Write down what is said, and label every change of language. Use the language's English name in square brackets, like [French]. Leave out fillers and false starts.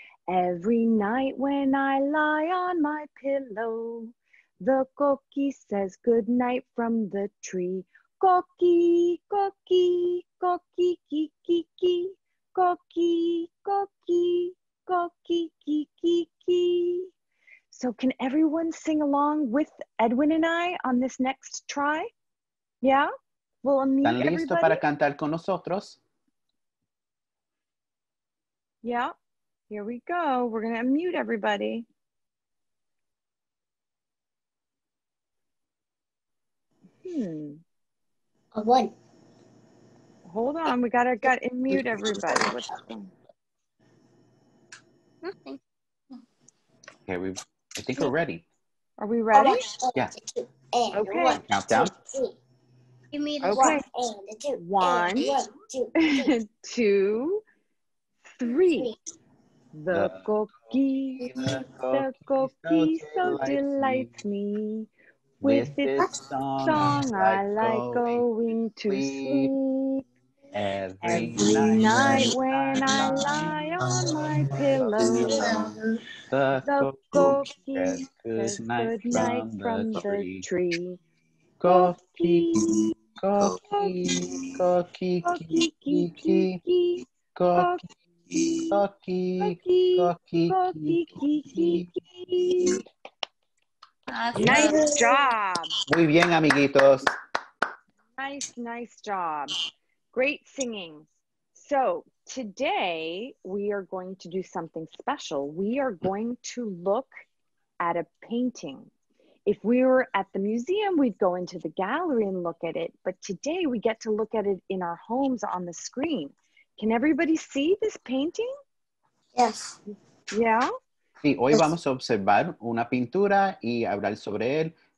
[English] Every night when I lie on my pillow, the coquí says good night from the tree. Coquí, coquí, coquí, kiki, kiki. Coquí, coquí, coquí, kiki, kiki. So can everyone sing along with Edwin and I on this next try? Yeah? Well, I'll meet everybody. [Spanish] ¿Están listos para cantar con nosotros? [English] Yeah. Here we go. We're going to unmute everybody. A one. Hold on. We got to unmute everybody. What's happening? Okay. I think we're ready. Are we ready? Yeah. Okay. Countdown. Give me the one and the two. One, two, three. The coquí so delights me. With its song, I like going to sleep. Every night when I lie on my pillow, the coquí says good night from the tree. Coquí, coquí, coquí, coquí, coquí, coquí, coquí, coquí, coquí, coquí. Nice job. [Spanish] Muy bien, amiguitos. [English] Nice, nice job. Great singing. So today we are going to do something special. We are going to look at a painting. If we were at the museum, we'd go into the gallery and look at it. But today we get to look at it in our homes on the screen. Can everybody see this painting? Yes. Yeah? [Spanish] Sí, hoy vamos a observar una pintura y hablar sobre él.